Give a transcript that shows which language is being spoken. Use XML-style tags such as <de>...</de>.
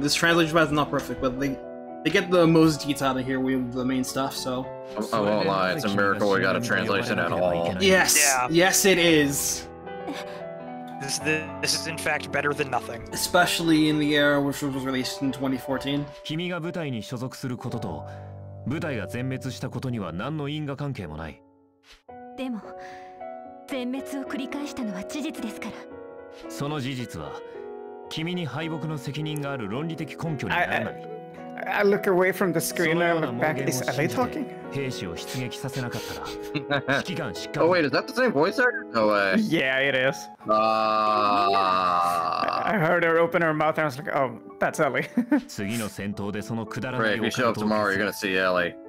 <en>This translation is not perfect, but they get the most deets out of here with the main stuff, so. I won't lie, it's a miracle we got a translation at all. Yes. Yeah. Yes, it is. This is in fact better than nothing. Especially in the era which was released in 2014.</en> <ja>君が部隊に所属することと部隊が全滅したことには何の因果関係もない。でも全滅を繰り返したのは事実ですから。その事実は君に敗北の責任がある論理的根拠にならない。</ja> <en>I look away from the screen and look back. Is LA talking? Oh, wait, is that the same voice actor? No way. Yeah, it is. I heard her open her mouth and I was like, oh, that's Ellie. Right, if you show up tomorrow, you're gonna see Ellie.</en>